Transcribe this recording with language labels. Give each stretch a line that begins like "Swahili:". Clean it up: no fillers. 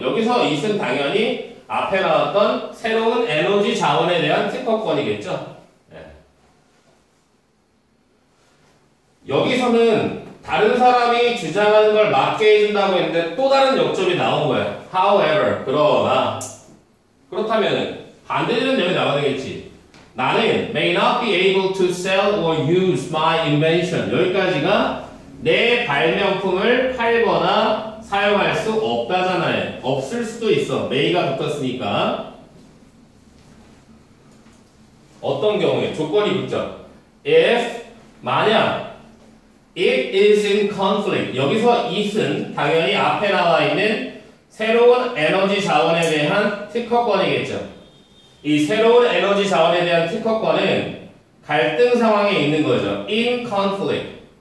Korean: 여기서 is은 당연히 앞에 나왔던 새로운 에너지 자원에 대한 특허권이겠죠. 네. 여기서는 다른 사람이 주장하는 걸 막게 해준다고 했는데 또 다른 역점이 나온 거예요. However, 그러나 그렇다면은 반대되는 점이 나와야 되겠지. 나는
English: may not be able to sell or use my invention.
Korean: 여기까지가 내 발명품을 팔거나 사용할 수 없다잖아요. 없을 수도 있어. may가 붙었으니까. 어떤 경우에 조건이 붙죠.
English: If,
Korean: 만약
English: it is in conflict.
Korean: 여기서 it은 당연히 앞에 나와 있는 새로운 에너지 자원에 대한 특허권이겠죠. 이 새로운 에너지 자원에 대한 특허권은 갈등 상황에 있는 거죠.
English: In conflict.